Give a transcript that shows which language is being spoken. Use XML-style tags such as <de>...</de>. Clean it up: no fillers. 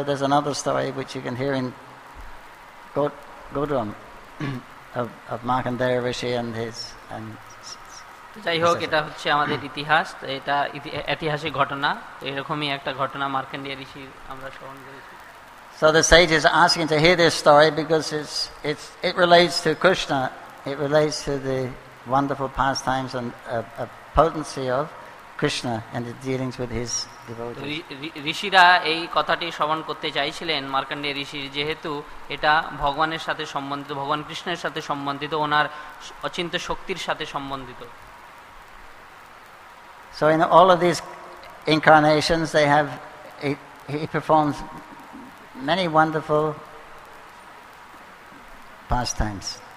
<en>There's another story which you can hear in Gurdwam of Markandeya Rishi and his and</en> <bn>যাই হোক, এটা হচ্ছে আমাদের ইতিহাস, এটা ঐতিহাসিক ঘটনা, এরকমই একটা ঘটনা মার্কণ্ডেয় ঋষি আমরা শ্রবণ করেছি।</bn> <en>So the sage is asking to hear this story because it relates to Krishna, it relates to the wonderful pastimes and a potency of Krishna and the dealings with his devotees.</en> <bn>ঋষিরা এই কথাটি শ্রবণ করতে চাইছিলেন মার্কণ্ডেয় ঋষির, যেহেতু এটা ভগবানের সাথে সম্বন্ধিত, ভগবান কৃষ্ণের সাথে সম্বন্ধিত, ওনার অচিন্ত শক্তির সাথে সম্বন্ধিত।</bn> <en>So in all of these incarnations they have he performs many wonderful pastimes.</en>